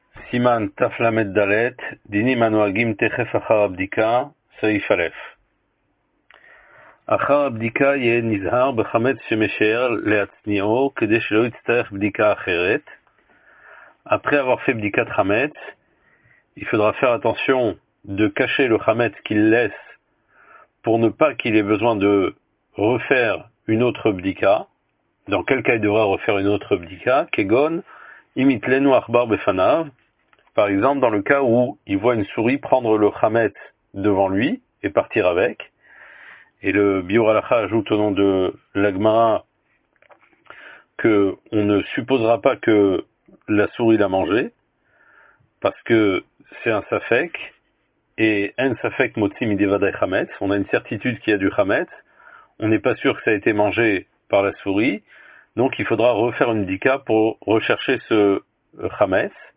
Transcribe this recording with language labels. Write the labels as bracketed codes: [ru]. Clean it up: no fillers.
[he] סימן תל"ד, דינים הנוהגים תכף אחר הבדיקה, סעיף א'. אחר הבדיקה יהיה נזהר בחמץ שמשער להצניעו כדי שלא יצטרך בדיקה אחרת. אחרי הרופא בדיקת חמץ, [fr] il faudra faire attention de cacher le חמץ qu'il laisse pour ne pas qu'il ait besoin de refaire une autre בדיקה. Dans quel cas il devra refaire une autre בדיקה? [he] כגון אם יתלנו עכבר בפניו. [fr] Par exemple, dans le cas où il voit une souris prendre le khametz devant lui et partir avec. Et le Biur Halakha ajoute au nom de l'Agmara qu'on ne supposera pas que la souris l'a mangé, parce que c'est un safek, et un [he] safek motzi midevadai [fr] khametz, on a une certitude qu'il y a du khametz, on n'est pas sûr que ça a été mangé par la souris, donc il faudra refaire une dika pour rechercher ce khametz.